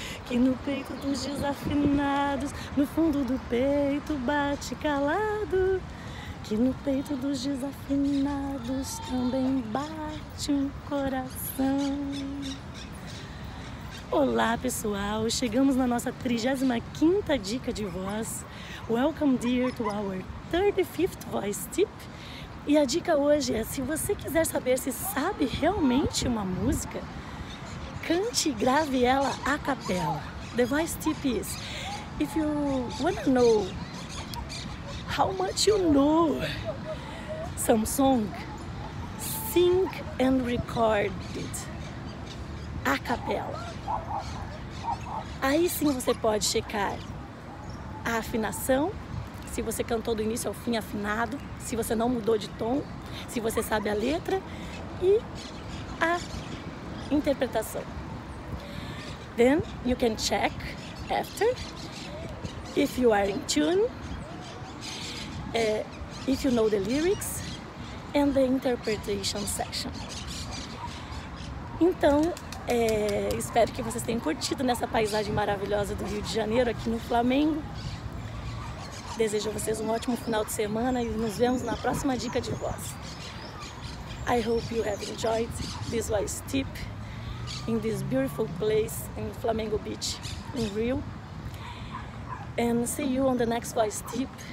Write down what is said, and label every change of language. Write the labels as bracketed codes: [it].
[pt] E no peito dos desafinados, no fundo do peito bate calado. Que no peito dos desafinados também bate um coração. Olá pessoal, chegamos na nossa 35ª dica de voz. [en] Welcome dear to our 35th voice tip. [pt] E a dica hoje é: se você quiser saber se sabe realmente uma música, cante e grave ela a capela. [en] The voice tip is: if you want to know how much you know some song, sing and record it a capela. [pt] Aí sim você pode checar a afinação, se você cantou do início ao fim afinado, se você não mudou de tom, se você sabe a letra e a interpretação. [en] Then you can check after if you are in tune, if you know the lyrics and the interpretation section. [pt] Então, espero que vocês tenham curtido nessa paisagem maravilhosa do Rio de Janeiro aqui no Flamengo. Desejo a vocês um ótimo final de semana e nos vemos na próxima dica de voz. [en] I hope you have enjoyed this voice tip in this beautiful place in Flamengo Beach in Rio. And see you on the next voice tip.